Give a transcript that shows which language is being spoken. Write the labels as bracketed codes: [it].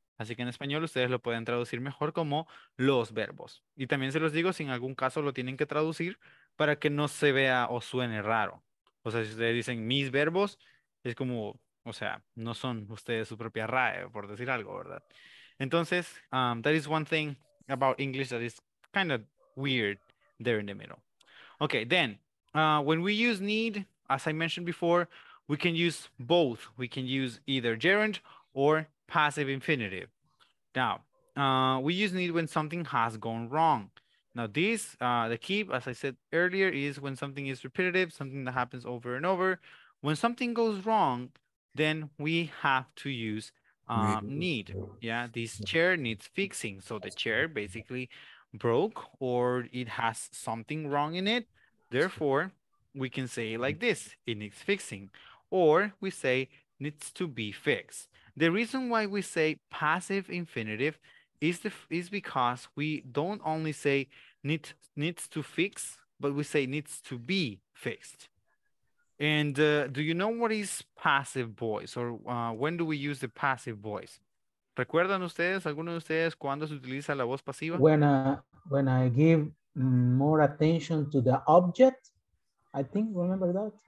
[es] Así que en español ustedes lo pueden traducir mejor como los verbos. Y también se los digo, si en algún caso lo tienen que traducir para que no se vea o suene raro. O sea, si ustedes dicen mis verbos, es como, o sea, no son ustedes su propia RAE, por decir algo, ¿verdad? Entonces, [en] that is one thing about English that is kind of weird there in the middle. Okay, then, when we use need, as I mentioned before, we can use both. We can use either gerund or passive infinitive. Now, we use need when something has gone wrong. Now this, the key, as I said earlier, is when something is repetitive, something that happens over and over. When something goes wrong, then we have to use need. Yeah, this chair needs fixing. So the chair basically broke or it has something wrong in it. Therefore, we can say like this, it needs fixing. Or we say needs to be fixed. The reason why we say passive infinitive is because we don't only say needs to fix, but we say needs to be fixed. And do you know what is passive voice, or when do we use the passive voice? [es] ¿Recuerdan ustedes, alguno de ustedes, cuando se utiliza la voz pasiva? [en] When I give more attention to the object, I think, remember that?